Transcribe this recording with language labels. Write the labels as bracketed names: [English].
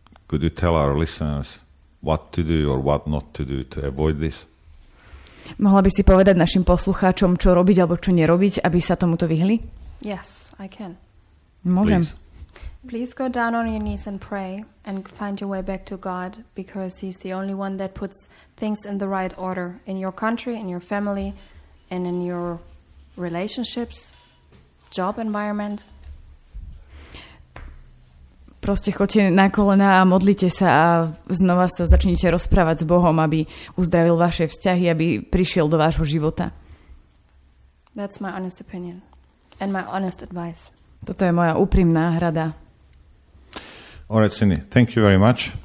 [English] Could you tell our listeners what to do or what not to do to avoid this? [Slovak] Mohla by si povedať našim poslucháčom, čo robiť alebo čo nerobiť, aby sa tomuto vyhli? [English] Yes, I can. [Slovak] Môžem. [English] Please go down on your knees and pray and find your way back to God, because he's the only one that puts things in the right order in your country, in your family, and in your relationships, job environment. [Slovak] Proste choďte na kolená a modlite sa a znova sa začnite rozprávať s Bohom, aby uzdravil vaše vzťahy, aby prišiel do vášho života. [English] That's my honest opinion and my honest advice. [Slovak] Toto je moja úprimná rada. [English] All right, Cindy, thank you very much.